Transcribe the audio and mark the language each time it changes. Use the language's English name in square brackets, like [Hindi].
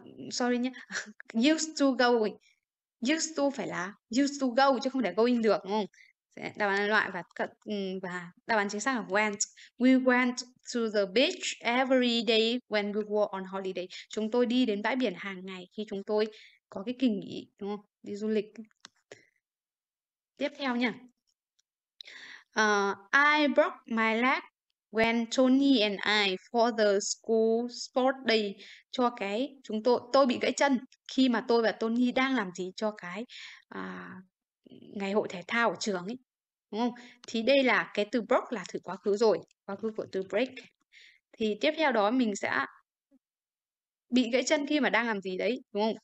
[English] Sorry [Vietnamese] nhé. [English] Used to going, [Vietnamese] used to phải là [English] used to go [Vietnamese] chứ không thể going được đúng không? Đáp án là loại và đáp án chính xác là went. [English] We went to the beach every day when we were on holiday. [Vietnamese] Chúng tôi đi đến bãi biển hàng ngày khi chúng tôi có cái kỳ nghỉ, đúng không? Đi du lịch. Tiếp theo nha. [English] I broke my leg when Tony and I for the school sport day. [Vietnamese] Cho cái chúng tôi bị gãy chân khi mà tôi và Tony đang làm gì cho cái ngày hội thể thao ở trường ấy, đúng không? Thì đây là cái từ broke là từ quá khứ rồi, quá khứ của từ break. Thì tiếp theo đó mình sẽ bị gãy chân khi mà đang làm gì đấy, đúng không?